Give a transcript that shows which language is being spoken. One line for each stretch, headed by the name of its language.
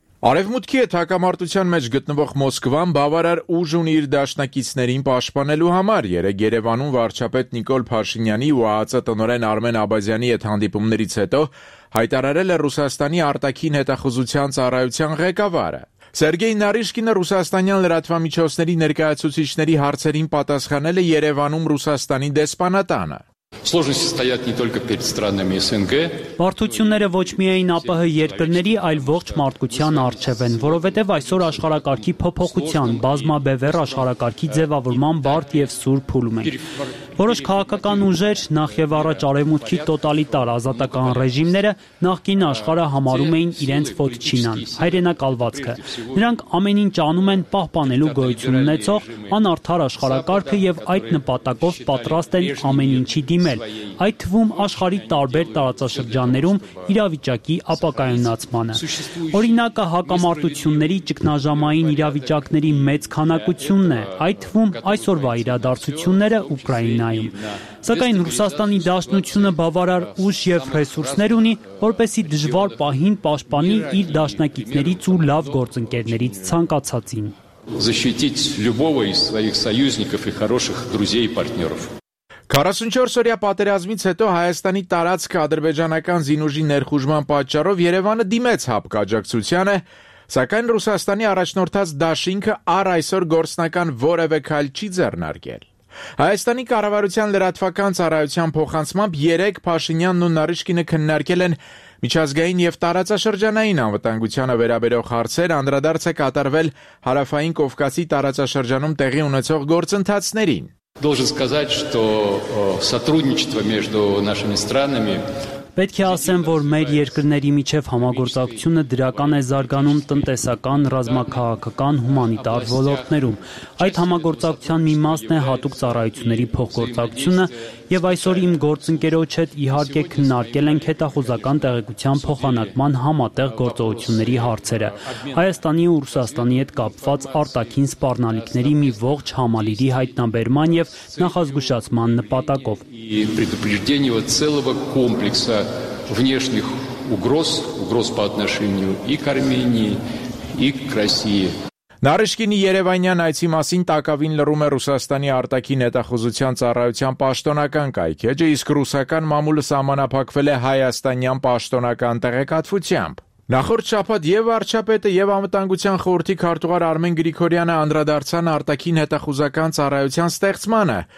Armenian: Արևմուտքի հետ հակամարտության մեջ գտնվող Մոսկվան բավարար ուժ ունի իր դաշնակիցներին պաշտպանելու համար։ Երեկ Երևանում վարչապետ Նիկոլ Փաշինյանի ու ԱԱՀ տնօրեն Արմեն Աբազյանի հետ հանդիպումներից հետո հայտարարել է Ռուսաստանի արտաքին հետախուզության ծառայության ղեկավարը։ Սերգեյ Նարիշկինը ռուսաստանյան լրատվամիջոցների ներկայացուցիչների հարցերին պատասխանել է Երևանում Ռուսաստանի դեսպանատանը։
Russian: Сложности стоят не только перед странами СНГ.
Armenian: Բարդությունները ոչ միայն ԱՊՀ երկրների, այլ ողջ մարդկության առջև են, որովհետև այսօր աշխարհակարգի փոփոխության, բազմաբևեռ աշխարհակարգի ձևավորման բարդ և սուր փուլում են։ Որոշ քաղաքական ուժեր, նախ եւ առաջ արևմուտքի տոտալիտար ազատական ռեժիմները, նախկին աշխարհը համարում էին իրենց ոտչինան, հայրենակալվածքը։ Նրանք ամեն ինչ անում են պահպանելու գոյություն ունեցող անարդար աշխարհակարգը եւ այդ նպատակով պատրաստ են ամեն ինչի դիմել, այդ թվում աշխարհի տարբեր տարածաշրջաններում իրավիճակի ապակայունացմանը։ Օրինակը հակամարտությունների ճգնաժամային իրավիճակների մեծ քանակությունն է, այդ թվում այսօրվա իրադարձությունները Ուկրաինայում։ Սակայն Ռուսաստանի դաշնությունը բավարար ուժ և ռեսուրսներ ունի, որպեսի դժվար պահին պաշտպանի իր դաշնակիցներից ու լավ գործընկերներից ցանկացածին։
Russian: Защитить любого из своих союзников и хороших друзей и партнёров.
Armenian: 44-օրյա պատերազմից հետո Հայաստանի տարածքը ադրբեջանական զինուժի ներխուժման պատճառով Երևանը դիմեց հապկաջակցությանը, սակայն Ռուսաստանի առաջնորդած դաշինքը առ այսօր գործնական որևէ քայլ չի ձեռնարկել։ Հայաստանի կառավարության լրատվական ծառայության փոխանցմամբ երեկ Փաշինյանն ու Նարիշկինը քննարկել են միջազգային և տարածաշրջանային անվտանգությանը վերաբերող հարցեր, անդրադարձ է կատարվել հարավային Կովկասի տարածաշրջանում տեղի ունեցող գործընթացներին։
Russian: Должен сказать, что сотрудничество между нашими странами
Armenian: Պետք է ասեմ, որ մեր երկրների միջև համագործակցությունը դրական է զարգանում տնտեսական, ռազմաքաղաքական, հումանիտար ոլորտներում։ Այդ համագործակցության մի մասն է հատուկ ծառայությունների փոխգործակցությունը, և այսօր իմ գործընկերոջ հետ իհարկե քննարկել ենք հետախուզական տեղեկության փոխանակման համատեղ գործողությունների հարցերը, Հայաստանի ու Ռուսաստանի հետ կապված արտաքին սպառնալիքների մի ողջ համալիրի հայտնաբերման և նախազգուշացման նպատակով։
Russian: Внешних угроз, угроз по отношению и к Армении, и к России.
Armenian: Նարիշկինի Երևանյան այցի մասին տակավին լրում է Ռուսաստանի արտաքին հետախուզության ծառայության պաշտոնական կայքը, իսկ ռուսական մամուլը սահմանափակվել է հայաստանյան պաշտոնական տեղեկատվությամբ։ Նախորդ շաբաթ և վարչապետը և անվտանգության խորհրդի քարտուղար Արմեն Գրիգորյանը անդրադարձան արտաքին հետախուզական ծառայության ստեղծմանը,